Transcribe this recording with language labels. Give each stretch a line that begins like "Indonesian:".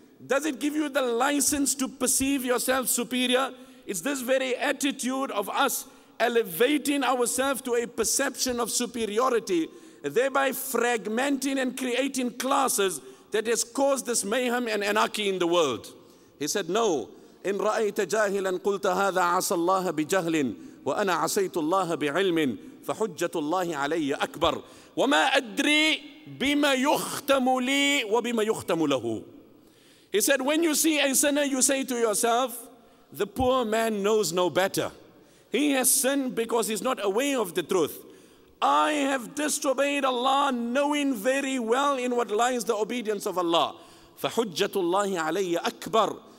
English: Does it give you the license to perceive yourself superior? It's this very attitude of us elevating ourselves to a perception of superiority, thereby fragmenting and creating classes, that has caused this mayhem and anarchy in the world. He said, no.
Arabic: إن رأيت جاهلا قلت هذا عصى الله بجهل وأنا عصيت الله بعلم فحجة الله علي أكبر وما أدري بما يختم لي وبما يختم له.
English: He said, when you see a sinner, you say to yourself, the poor man knows no better. He has sinned because he's not aware of the truth. I have disobeyed Allah, knowing very well in what lies the obedience of Allah.
Arabic: فحجة الله علي أكبر.